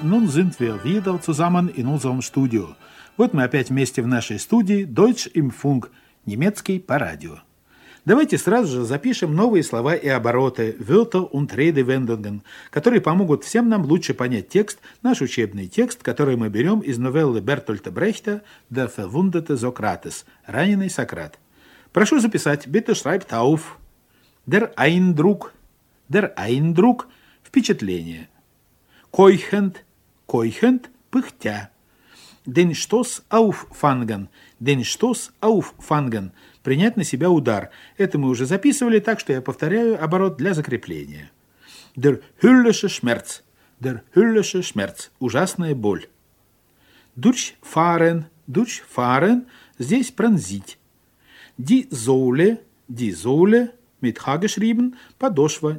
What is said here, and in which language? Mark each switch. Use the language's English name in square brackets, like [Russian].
[German] Nun sind wir wieder zusammen in unserem Studio. [Russian] Вот мы опять вместе в нашей студии [German] Deutsch im Funk, [Russian] немецкий по радио. Давайте сразу же запишем новые слова и обороты, [German] Wörter und Redewendungen, [Russian] которые помогут всем нам лучше понять текст, наш учебный текст, который мы берем из новеллы Бертольда Брехта [German] «Der verwundete Sokrates» [Russian] – «Раненый Сократ». Прошу записать, [German] bitte schreibt auf. Der Eindruck – [Russian] впечатление. [German] Keuchend, keuchend – [Russian] пыхтя. [German] Den Stoß auffangen, den Stoß auffangen – [Russian] принять на себя удар. Это мы уже записывали, так что я повторяю оборот для закрепления. [German] Der höllische Schmerz. Der höllische Schmerz. [Russian] Ужасная боль. [German] Durchfahren. Durchfahren. [Russian] Здесь пронзить. [German] Die Sohle. Die Sohle. Mit H geschrieben. [Russian] Подошва.